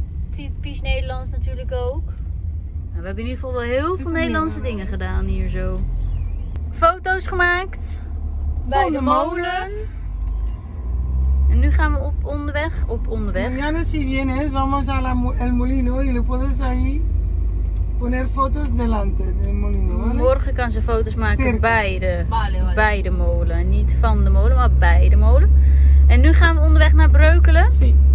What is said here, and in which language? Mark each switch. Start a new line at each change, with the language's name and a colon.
Dutch: Typisch Nederlands natuurlijk ook. Nou, we hebben in ieder geval wel heel veel Nederlandse dingen gedaan hier zo. Foto's gemaakt. Bij de molen. En nu gaan we op onderweg. Op onderweg. Ja, dat zie je
Spanish: bien. Vamos al molino. Y le puedes ahí poner fotos delante del molino.
Dutch: Morgen kan ze foto's maken bij de, bij de molen. Niet van de molen, maar bij de molen. En nu gaan we onderweg naar Breukelen.